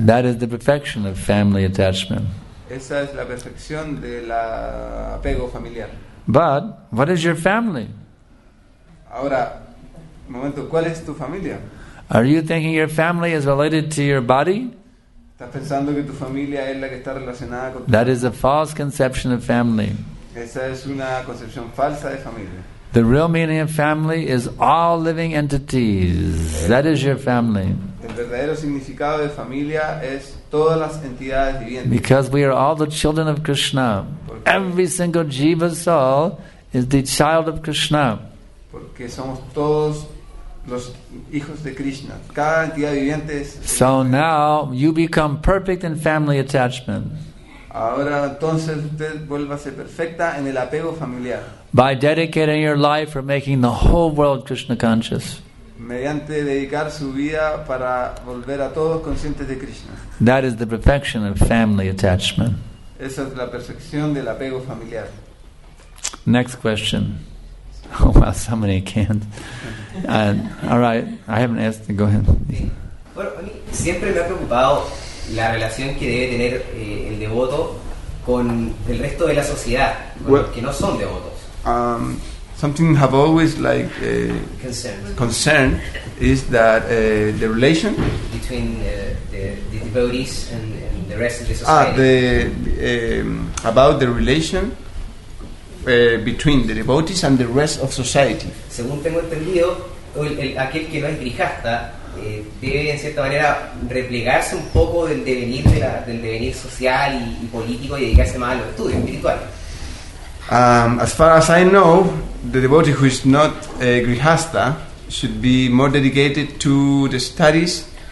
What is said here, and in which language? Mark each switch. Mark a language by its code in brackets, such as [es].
[en] That is the perfection of family attachment. [es] Esa es la perfección del apego familiar. [en] But what is your family? [es] Ahora, un momento, ¿cuál es tu familia? [en] Are you thinking your family is related to your body? [es] ¿Estás pensando que tu familia es la que está relacionada con tu? [en] That is a false conception of family. [es] Esa es una concepción falsa de familia. [en] The real meaning of family is all living entities. That is your family. [es] El verdadero significado de familia es todas las entidades vivientes. [en] Because we are all the children of Krishna. Every single jiva soul is the child of Krishna. [es] Porque somos todos los hijos de Krishna. Cada entidad viviente es. [en] So now you become perfect in family attachment. [es] Ahora entonces usted vuélvase perfecta en el apego familiar. [en] By dedicating your life for making the whole world Krishna conscious. [es] Mediante dedicar su vida para volver a todos conscientes de Krishna. [en] That is the perfection of family attachment. [es] Esa es la perfección del apego familiar. [en] Next question. Oh wow, so many can't. Alright, I haven't asked, go ahead. [es] Bueno, a mí siempre me ha preocupado la relación que debe tener el devoto con el resto de la sociedad, que no son devotos. [en] Something have always like concern is that the relation between the devotees and the rest of the society. About the relation between the devotees and the rest of society. [es] Según tengo entendido, aquel que no es grihasta debe en cierta manera replegarse un poco del devenir social y político y dedicarse más a los estudios espirituales. [en] As far as I know, the devotee who is not a grihasta should be more dedicated to the studies.